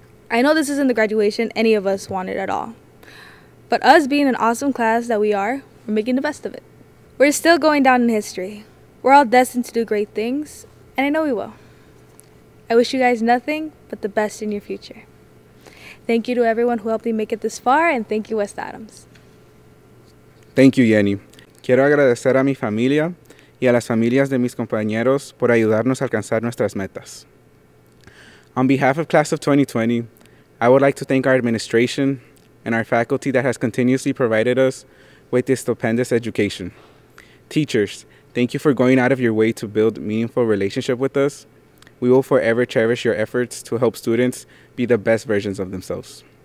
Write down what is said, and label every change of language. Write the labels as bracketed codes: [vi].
[en] I know this isn't the graduation any of us wanted at all, but us being an awesome class that we are, we're making the best of it. We're still going down in history. We're all destined to do great things, and I know we will. I wish you guys nothing but the best in your future. Thank you to everyone who helped me make it this far, and thank you, West Adams. Thank you, Jenny. [es] Quiero agradecer a mi familia y a las familias de mis compañeros por ayudarnos a alcanzar nuestras metas. [en] On behalf of Class of 2020, I would like to thank our administration and our faculty that has continuously provided us with this stupendous education. Teachers, thank you for going out of your way to build meaningful relationship with us. We will forever cherish your efforts to help students be the best versions of themselves.